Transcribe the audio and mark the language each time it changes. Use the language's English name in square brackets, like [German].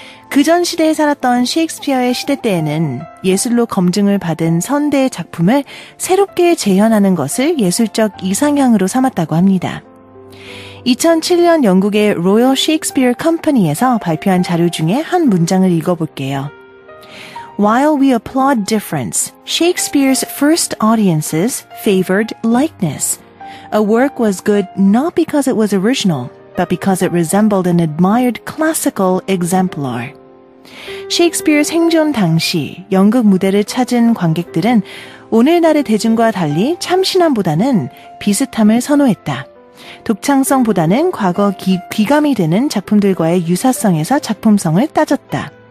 [Korean] 그전 시대에 살았던 셰익스피어의 시대 때에는 예술로 검증을 받은 선대의 작품을 새롭게 재현하는 것을 예술적 이상향으로 삼았다고 합니다. 2007년 영국의 Royal Shakespeare Company에서 발표한 자료 중에 한 문장을 읽어볼게요. [English] While we applaud difference, Shakespeare's first audiences favored likeness. A work was good not because it was original, but because it resembled an admired classical exemplar. [Korean] 셰익스피어 생존 당시 연극 무대를 찾은 관객들은 오늘날의 대중과 달리 참신함보다는 비슷함을 선호했다. 독창성보다는 과거 귀감이 되는 작품들과의 유사성에서 작품성을 따졌다.